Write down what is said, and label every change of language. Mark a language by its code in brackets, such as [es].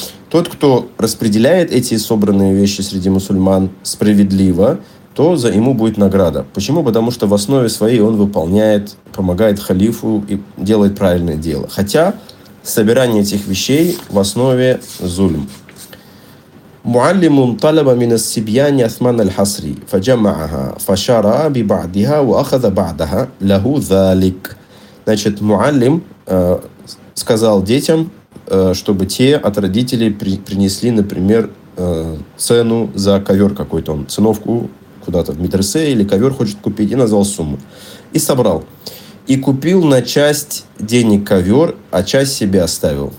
[ru] Тот, кто распределяет эти собранные вещи среди мусульман справедливо, то за ему будет награда. Почему? Потому что в основе своей он выполняет, помогает халифу и делает правильное дело. Хотя собирание этих вещей в основе зульм. [ar] معلمٌ طلب من السبيان أثمان الحصري فجمعها فشرى ببعضها وأخذ بعضها له ذلك. [ru] Значит, معلم сказал детям, чтобы те от родителей принесли, например, цену за ковер какой-то, он циновку куда-то в медресе или ковер хочет купить, и назвал сумму. И собрал. И купил на часть денег ковер, а часть себе оставил.